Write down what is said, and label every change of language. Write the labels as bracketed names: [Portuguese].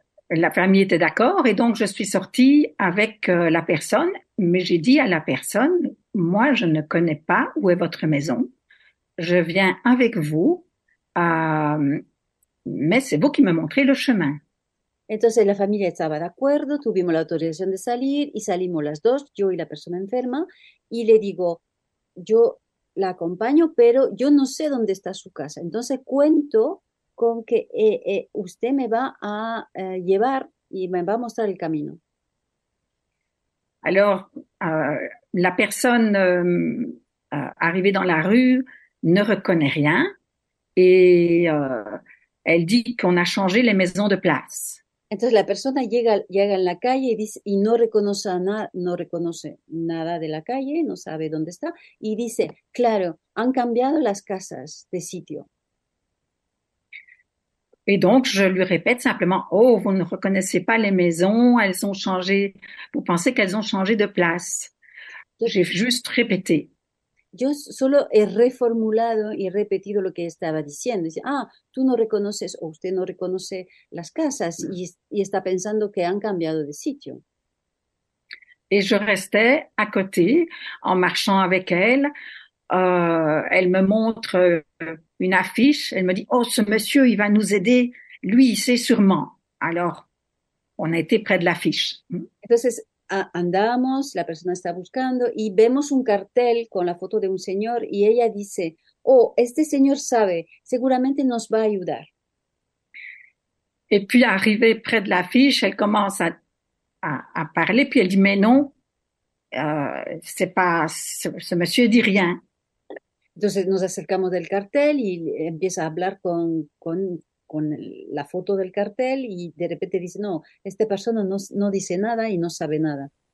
[French] La famille était d'accord et donc je suis sortie avec la personne, mais j'ai dit à la personne, moi, je ne connais pas où est votre maison. Je viens avec vous, mais c'est vous qui me montrez le chemin. [Spanish] Entonces la familia estaba de acuerdo, tuvimos la autorización de salir y salimos las dos, yo y la persona enferma, y le digo, yo la acompaño, pero yo no sé dónde está su casa. Entonces cuento con que usted me va a llevar y me va a mostrar el camino. [French] Alors, la personne arrivée dans la rue ne reconnaît rien et elle dit qu'on a changé les maisons de place. [Spanish] Entonces la persona llega en la calle y dice y no reconoce nada de la calle, no sabe dónde está y dice, claro, han cambiado las casas de sitio. [French] Et donc je lui répète simplement, oh, vous ne reconnaissez pas les maisons, elles ont changé. Vous pensez qu'elles ont changé de place. J'ai juste répété. [Spanish] Yo solo he reformulado y repetido lo que estaba diciendo. Dice, ah, tú no reconoces o usted no reconoce las casas y está pensando que han cambiado de sitio. [French] Et je restais à côté en marchant avec elle. Elle me montre une affiche. Elle me dit, oh, ce monsieur, il va nous aider. Lui, il sait sûrement. Alors, on a été près de l'affiche. [Spanish] Entonces, andamos, la persona está buscando y vemos un cartel con la foto de un señor y ella dice, oh, este señor sabe, seguramente nos va a ayudar. [French] Et puis arrivée près de l'affiche, elle commence à parler, puis elle dit, mais non, c'est pas, ce monsieur dit rien. [Spanish] Entonces nos acercamos del cartel y empieza a hablar con la foto del cartel y de repente dice, no, esta persona no dice nada y no sabe nada.